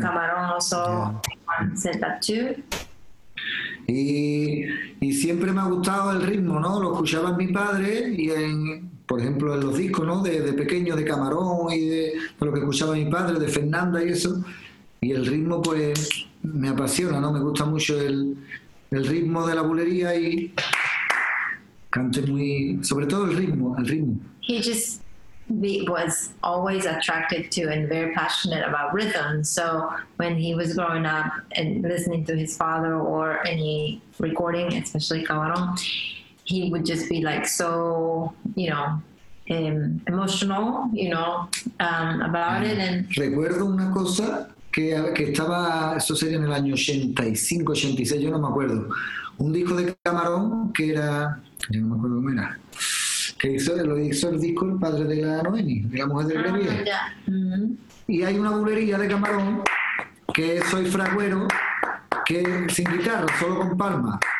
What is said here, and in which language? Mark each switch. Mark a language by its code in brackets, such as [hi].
[en] Camarón also said that too. [es] Y siempre me ha gustado el ritmo, ¿no? Lo escuchaba mi padre y en, por ejemplo, en los discos, ¿no? De pequeño, de Camarón y de lo que escuchaba mi padre, de Fernanda y eso. Y el ritmo, pues, me apasiona, ¿no? Me gusta mucho el ritmo de la Bulería y cante muy, sobre todo el ritmo. [en] He just was always attracted to and very passionate about rhythm. So when he was growing up and listening to his father or any recording, especially Camarón, he would just be like so, you know, emotional, you know, about it. And [es] recuerdo una cosa que estaba, eso sería en el año 85, 86, yo no me acuerdo. Un disco de Camarón que era, yo no me acuerdo cómo era, que lo hizo el disco El Padre de la Noemi, de la Mujer del Grevier. [en] Yeah. Mm-hmm. [es] Y hay una Bulería de Camarón que es Soy Fraguero, que sin guitarra, solo con palma.